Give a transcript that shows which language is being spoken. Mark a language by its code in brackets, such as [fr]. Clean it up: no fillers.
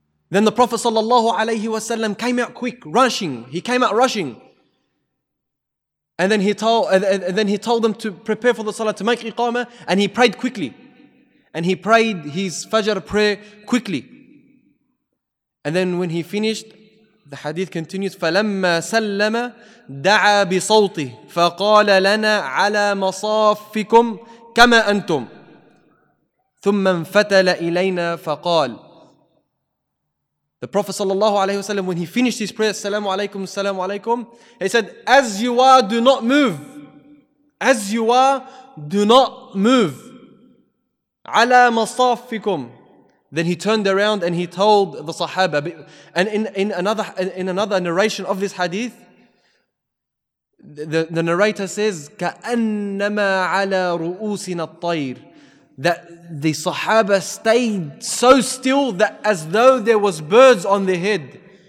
[en] Then the Prophet sallallahu alaihi wasallam came out quick, rushing. He came out rushing. And then he told them to prepare for the salah, to make iqamah, and he prayed quickly. And he prayed his fajr prayer quickly. And then when he finished, the hadith continues, [ar] فَلَمَّا سَلَّمَ دَعَى بِصَوْتِهِ فَقَالَ لَنَا عَلَى مَصَافِكُمْ كَمَا أَنْتُمْ ثُمَّ انْفَتَلَ إِلَيْنَا فَقَالَ. [en] The Prophet sallallahu alayhi wa sallam, when he finished his prayer, [ar] السلام عليكم, السلام عليكم, [en] he said, as you are, do not move. As you are, do not move. [ar] عَلَى مَصَافِكُمْ. [en] Then he turned around and he told the Sahaba. And in another narration of this hadith, the narrator says, [ar] كَأَنَّمَا عَلَى رُؤُوسِنَا الطَّيْرِ, [en] that the Sahaba stayed so still that as though there was birds on their head.